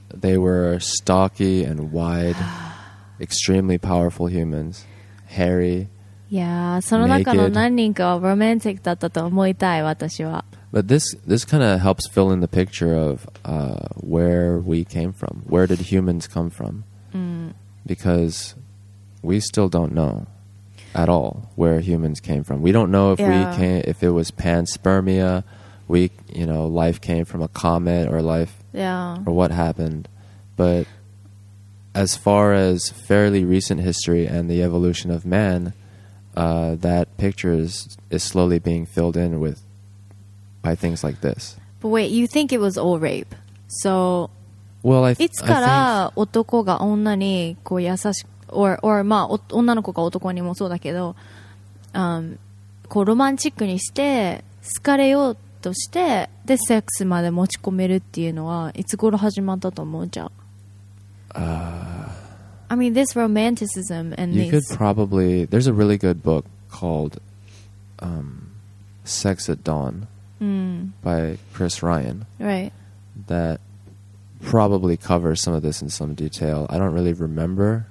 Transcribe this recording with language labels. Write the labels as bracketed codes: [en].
[en] They were stocky and wide, extremely powerful humans, hairy. [ja] Yeah, その中の何人かはロマンチックだったと思いたい私は。 [en] But this kind of helps fill in the picture of where we came from. Where did humans come from? Because we still don't know at all where humans came from. We don't know if we came, if it was panspermia, life came from a comet or life or what happened. But as far as fairly recent history and the evolution of man, that picture is slowly being filled in with by things like this. But wait, you think it was all rape? So, well, [ja] いつから男が女にこう優しく、or まあ女の子が男にもそうだけど、こうロマンチックにして好かれようとしてでセックスまで持ち込めるっていうのはいつ頃始まったと思うじゃん。 [en] I mean, this romanticism and you could probably there's a really good book called Sex at Dawn. By Chris Ryan. Right. That probably covers some of this in some detail. I don't really remember.